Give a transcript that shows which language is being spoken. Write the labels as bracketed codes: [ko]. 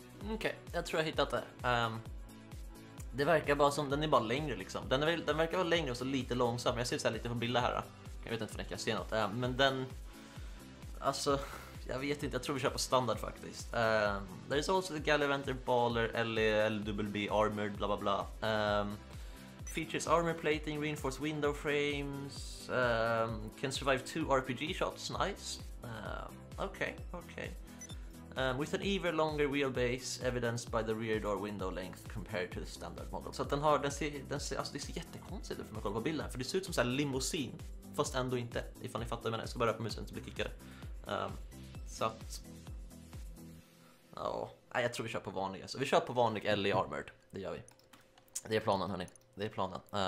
[sv] Okej, jag tror jag hittat det. Det verkar bara som, den är bara längre liksom. Den verkar vara längre och så lite långsam. Jag ser så här lite på bilder här då. Jag vet inte om jag kan se något. Men den, alltså, jag vet inte, jag tror vi kör på standard faktiskt. Det är så också Gallivanter Baller LWB armored bla bla bla. [en] Features armor plating, reinforced window frames, can survive 2 RPG shots, nice. Okej. With an even longer wheelbase evidenced by the rear door window length compared to the standard model. [sv] Så att den ser alltså det ser jättekonstigt ut för mig att kolla på bilden, för det ser ut som så här limousin fast ändå inte, ifall ni fattar vad jag menar. Jag ska bara röra på musen så blir kickade. Så att, ja, jag tror vi kör på vanlig. Så vi kör på vanlig LE armored. Det gör vi. Det är planen hörni. Det är planen.